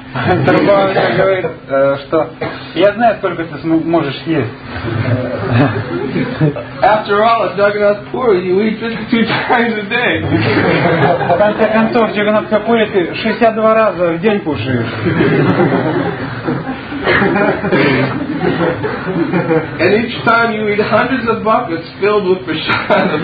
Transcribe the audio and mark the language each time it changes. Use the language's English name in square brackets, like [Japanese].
[Russian] Сарабхава говорит, что я знаю, сколько ты можешь съесть. [English] After all, if Jagannath Puri, you eat 52 times a day. [Russian] В конце концов, Jagannath Puri, ты 62 раза в день кушаешь. [English] And each time you eat hundreds of buckets filled with prasadam.